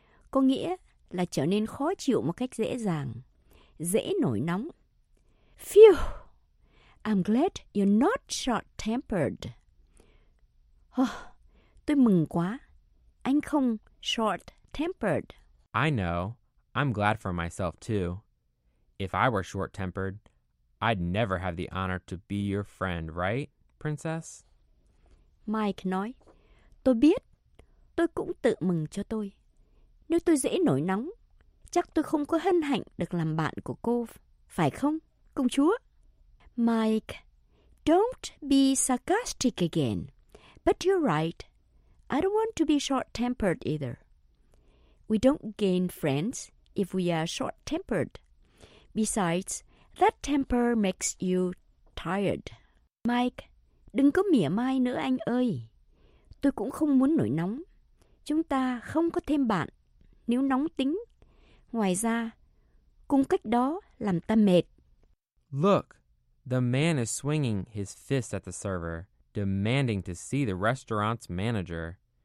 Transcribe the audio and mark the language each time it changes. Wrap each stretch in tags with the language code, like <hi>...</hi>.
<vi>Có nghĩa là trở nên khó chịu một cách dễ dàng. Dễ nổi nóng.</vi> <en>Phew! I'm glad you're not short-tempered.</en> <vi>Oh, tôi mừng quá. Anh không short-tempered.</vi> <en>I know. I'm glad for myself, too. If I were short-tempered, I'd never have the honor to be your friend, right, princess?</en> <vi>Mike nói, tôi biết, tôi cũng tự mừng cho tôi. Nếu tôi dễ nổi nóng, chắc tôi không có hân hạnh được làm bạn của cô, phải không, công chúa?</vi> <en>Mike, don't be sarcastic again. But you're right, I don't want to be short-tempered either. We don't gain friends if we are short-tempered. Besides, that temper makes you tired.</en> <vi>Mike, đừng có mỉa mai nữa anh ơi. Tôi cũng không muốn nổi nóng. Chúng ta không có thêm bạn nếu nóng tính. Ngoài ra, cùng cách đó làm ta mệt.</vi> <en>Look, the man is swinging his fist at the server, demanding to see the restaurant's manager.</en>